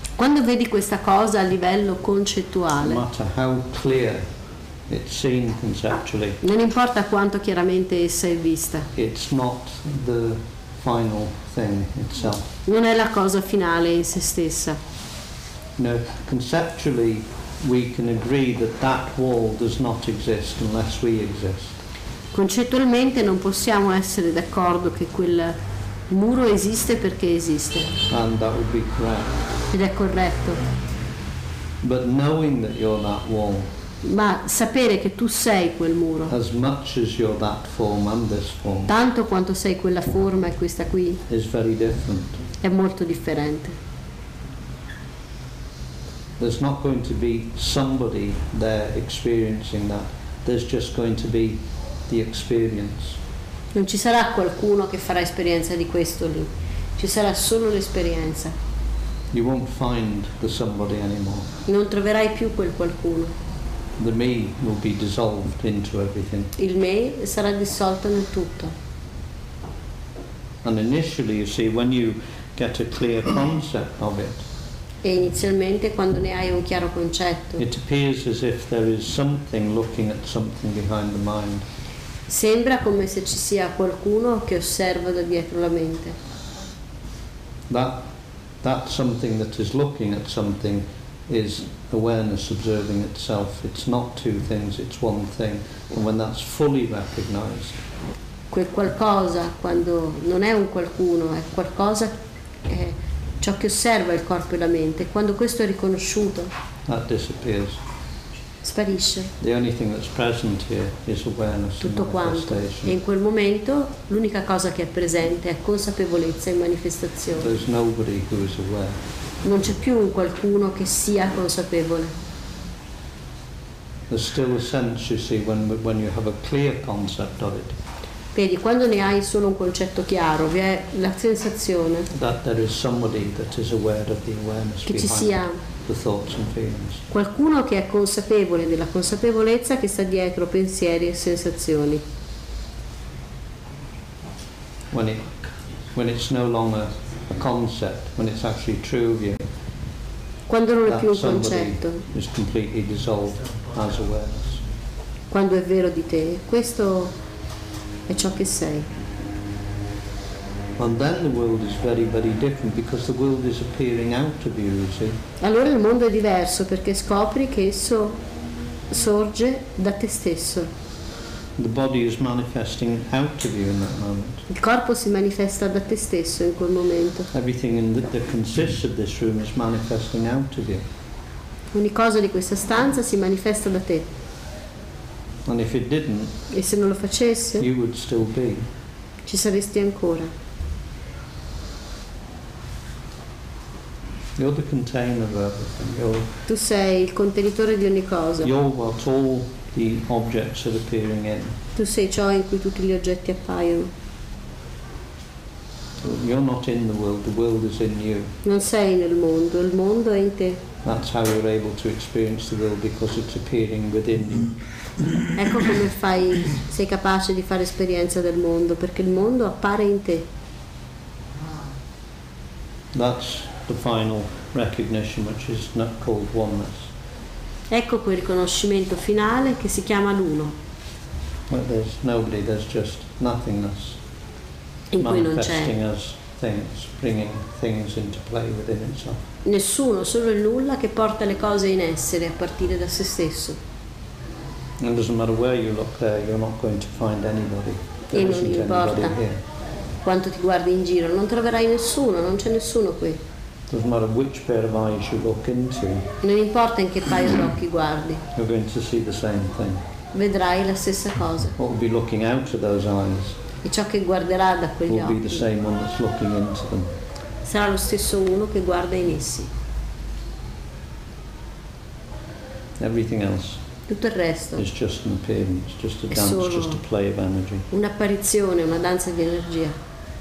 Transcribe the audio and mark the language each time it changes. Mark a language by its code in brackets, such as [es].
[it] quando vedi questa cosa a livello concettuale, [en] no matter how clear it's seen conceptually, [it] non importa quanto chiaramente essa è vista, [en] it's not the final thing itself. [it] Non è la cosa finale in se stessa. [en] No, conceptually we can agree that that wall does not exist unless we exist. [it] Concettualmente non possiamo essere d'accordo che quel muro esiste perché esiste. [en] And that would be correct. [it] Ed è corretto. [en] But knowing that you're that wall, [it] ma sapere che tu sei quel muro, [en] as much as you're that form and this form, [it] tanto quanto sei quella forma e questa qui, [en] is very different. [it] È molto differente. [en] There's not going to be somebody there experiencing that. There's just going to be the experience. [it] Non ci sarà qualcuno che farà esperienza di questo lì. Ci sarà solo l'esperienza. [en] You won't find the somebody anymore. [it] Non troverai più quel qualcuno. [en] The me will be dissolved into everything. [it] Il me sarà dissolto nel tutto. [en] And initially, you see, when you get a clear concept of it, [it] e inizialmente quando ne hai un chiaro concetto, [en] it appears as if there is something looking at something behind the mind. [it] Sembra come se ci sia qualcuno che osserva da dietro la mente. [en] That something that is looking at something is awareness observing itself. It's not two things, it's one thing. And when that's fully recognized, [it] quel qualcosa, quando non è un qualcuno, è qualcosa, è ciò che osserva il corpo e la mente, quando questo è riconosciuto, [en] that disappears. [it] Sparisce. [en] The only thing that's present here is awareness. [it] Tutto quanto. E in quel momento l'unica cosa che è presente è consapevolezza e manifestazione. [en] There's nobody who is aware. [it] Non c'è più qualcuno che sia consapevole. [en] There's still a sense, you see, when you have a clear concept of it. [it] Vedi, quando ne hai solo un concetto chiaro, vi è la sensazione [en] that there is somebody that is aware of the awareness [it] che ci sia qualcuno che è consapevole della consapevolezza che sta dietro pensieri e sensazioni. [en] When it's no longer a concept, when it's actually true of you, [it] quando non è più un concetto, [en] is completely dissolved as awareness. [it] Quando è vero di te, questo è ciò che sei. [en] And then the world is very, very different because the world is appearing out of you, you see. [it] Allora il mondo è diverso perché scopri che esso sorge da te stesso. [en] The body is manifesting out of you in that moment. [it] Il corpo si manifesta da te stesso in quel momento. [en] Everything in that consists of this room is manifesting out of you. [it] Ogni cosa di questa stanza si manifesta da te. [en] And if it didn't, [it] e se non lo facesse, [en] you would still be. [it] Ci saresti ancora. [en] You're the container of everything. [it] Tu sei il contenitore di ogni cosa. [en] You're what all the objects are appearing in. [it] Tu sei ciò in cui tutti gli oggetti appaiono. [en] You're not in the world. The world is in you. [it] Non sei nel mondo. Il mondo è in te. [en] That's how you're able to experience the world because it's appearing within you. [it] Ecco come fai, sei capace di fare esperienza del mondo perché il mondo appare in te. [en] That's the final recognition, which is not called oneness. [it] Ecco quel riconoscimento finale che si chiama l'uno. [en] But there's nobody, there's just nothingness. [it] In cui non c'è. [en] Manifesting as things, bringing things into play within itself. [it] Nessuno, solo il nulla che porta le cose in essere a partire da se stesso. [en] It doesn't matter where you look there, you're not going to find anybody. There [it] e non [en] isn't [it] importa [en] anybody [it] quanto ti guardi in giro, non troverai nessuno, non c'è nessuno qui. [en] It doesn't matter which pair of eyes you look into. [it] Non importa in che paio di occhi guardi. [en] You're going to see the same thing. [it] Vedrai la stessa cosa. [en] What will be looking out of those eyes? [it] E ciò che guarderà da quegli [en] will [it] occhi. [en] Will be the same one that's looking into them. [it] Sarà lo stesso uno che guarda in essi. [en] Everything else. [it] Tutto il resto. [en] It's just an appearance, just a dance, just a play of energy. [it] Un'apparizione, una danza di energia.